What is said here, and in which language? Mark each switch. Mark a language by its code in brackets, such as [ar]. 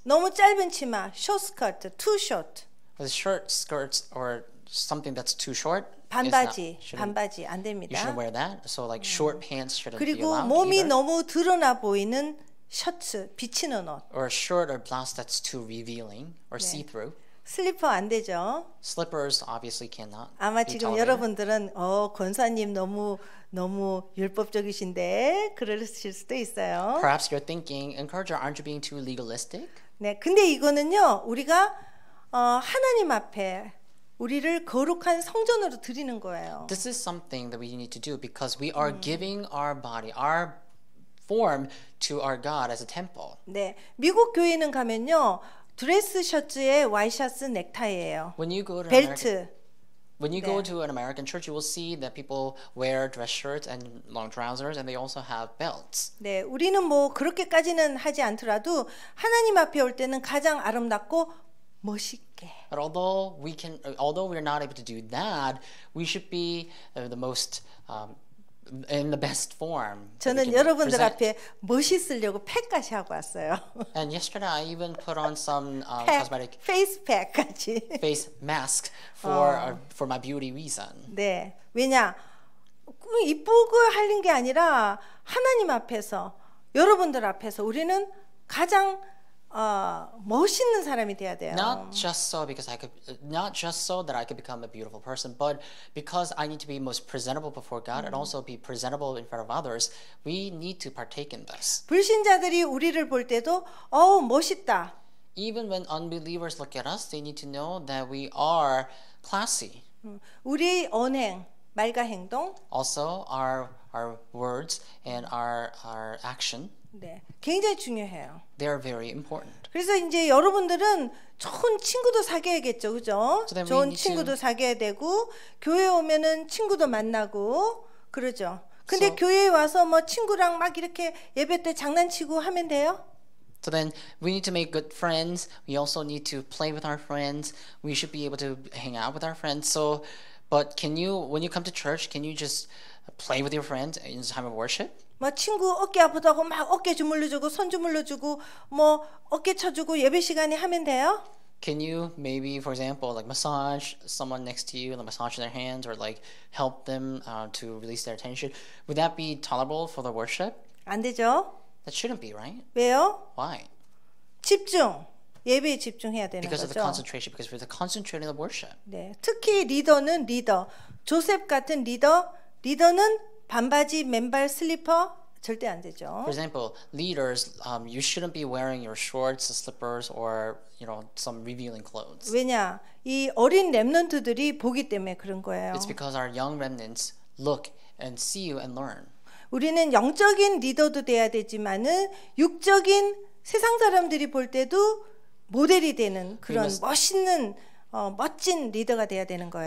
[ko] 너무 짧은 치마, [en] short skirt, too short. A short skirt or something that's too short. [ko] 반바지 안 됩니다. [en] You shouldn't wear that. So like short pants shouldn't be allowed. [ko] 그리고 몸이 [en] either. [ko] 너무 드러나 보이는 셔츠, 비치는 옷. [en] Or a short or blouse that's too revealing or 네. see-through. [ko] 슬리퍼 안 되죠. [en] Slippers obviously cannot. [ko] 아마 지금 여러분들은 권사님 너무 율법적이신데 그러실 수도 있어요. [en] Perhaps you're thinking, encourager, aren't you being too legalistic? [ko] 네, 근데 이거는요 우리가 하나님 앞에 우리를 거룩한 성전으로 드리는 거예요. This is something that we need to do because we are giving our body, our form to our God as a temple. 네, 미국 교회는 가면요. 드레스 셔츠에 와이셔츠 넥타이예요. [en] When you go to [ko] 벨트. [en] American, when you 네. go to an American church, you will see that people wear dress shirts and long trousers, and they also have belts. [ko] 네, 우리는 뭐 그렇게까지는 하지 않더라도 하나님 앞에 올 때는 가장 아름답고 멋있게. [en] But although we are not able to do that, we should be the most in the best form. [ko] 저는 여러분들 앞에 멋있으려고 팩까지 하고 왔어요. [en] And yesterday I even put on some cosmetic [ko] face pack까지. [en] Face mask for my beauty reason. [ko] 네. 왜냐? 이쁘고 하는 게 아니라 하나님 앞에서 여러분들 앞에서 우리는 가장 멋있는 사람이 돼야 돼요. [en] Not just so that I could become a beautiful person, but because I need to be most presentable before God and also be presentable in front of others, we need to partake in this. [ko] 불신자들이 우리를 볼 때도 멋있다. [en] Even when unbelievers look at us, they need to know that we are classy. [ko] 우리 언행, 말과 행동. [en] Also our words and our action. [ko] 네, 굉장히 중요해요. [en] They are very important. [ko] 그래서 이제 여러분들은 좋은 친구도 사귀어야겠죠, 그죠? 좋은 친구도 사귀어야 되고 교회 오면은 친구도 만나고 그러죠. 근데 교회에 와서 뭐 친구랑 막 이렇게 예배 때 장난치고 하면 돼요? [en] So then we need to make good friends. We also need to play with our friends. We should be able to hang out with our friends. So, but can you, when you come to church, can you just play with your friends in time of worship? [ko] 막 친구 어깨 아프다고 막 어깨 주물러주고 손 주물러주고 뭐 어깨 쳐주고 예배 시간에 하면 돼요? [en] Can you maybe, for example, like massage someone next to you, like massage their hands or like help them to release their tension? Would that be tolerable for the worship? [ko] 안 되죠. [en] That shouldn't be, right? [ko] 왜요? [en] Why? [ko] 집중. 예배에 집중해야 되는 [en] because [ko] 거죠. [en] Because of the concentration, because we're concentrating the worship. [ko] 네, 특히 리더는 리더. 조셉 같은 리더, 리더는 반바지, 맨발, 슬리퍼 절대 안 되죠. [en] For example, leaders, you shouldn't be wearing your shorts, slippers, or you know some revealing clothes. [ko] 왜냐, 이 어린 렘넌트들이 보기 때문에 그런 거예요. [en] It's because our young remnants look and see you and learn. [ko] 우리는 영적인 리더도 돼야 되지만은 육적인 세상 사람들이 볼 때도 모델이 되는 그런 멋있는 멋진 리더가 돼야 되는 거예요.